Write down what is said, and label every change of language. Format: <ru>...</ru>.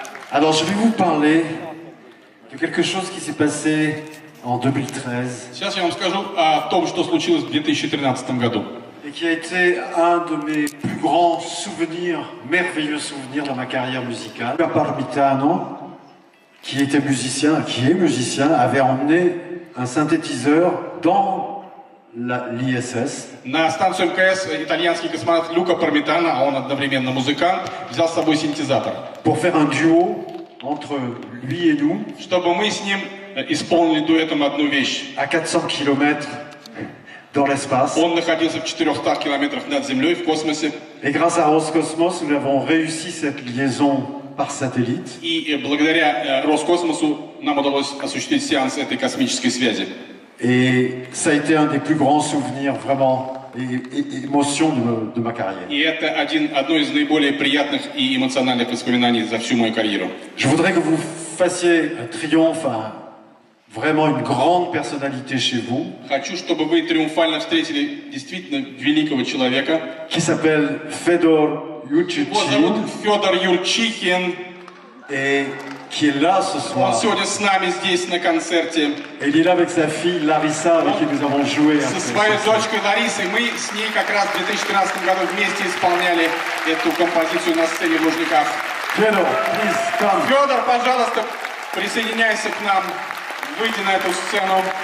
<fr>Alors, je vais vous parler de quelque chose qui s'est passé en 2013.</fr> <ru>Сейчас я вам скажу о том, что случилось в 2013 году.</ru> <fr>Et qui a été un de mes plus grands souvenirs, merveilleux souvenirs dans ma carrière musicale. Pierre Bitano, qui était musicien, qui est musicien, avait emmené un synthétiseur dans l'ISS.</fr> <ru>На станцию МКС итальянский космонавт Люка Пармитано, а он одновременно музыкант, взял с собой синтезатор.</ru> <fr>Pour faire un duo entre lui et nous.</fr> <ru>Чтобы мы с ним исполнили дуэтом одну вещь.</ru> <fr>À 400 km dans l'espace.</fr> <ru>Он находился в 400 километрах над землей в космосе.</ru> <fr>Et grâce à Roscosmos, nous avons réussi cette liaison par satellite.</fr> <ru>И благодаря Роскосмосу нам удалось осуществить сеанс этой космической связи.</ru> <fr>Et ça a été un des plus grands souvenirs, vraiment, et émotions de ma carrière.</fr> <ru>Et это одно из наиболее приятных и эмоциональных воспоминаний за всю мою карьеру.</ru> <fr>Je voudrais que vous fassiez un triomphe, vraiment une grande personnalité chez vous.</fr> <ru>Хочу, чтобы вы триумфально встретили действительно великого человека.</ru> <fr>Qui s'appelle Fedor Yurchikhin.</fr> <ru>Его зовут Федор Юрчихин.</ru> <fr>Et qui est là ce soir.</fr> <ru>Он сегодня с нами здесь на концерте.</ru> <fr>Et il est là avec sa fille Larissa, avec qui nous avons joué.</fr> <ru>Со своей дочкой Ларисой мы с ней как раз в 2013 году вместе исполняли эту композицию на сцене в Лужниках.</ru> <en>Федор, please come.</en> <ru>Федор, пожалуйста, присоединяйся к нам, выйди на эту сцену.</ru>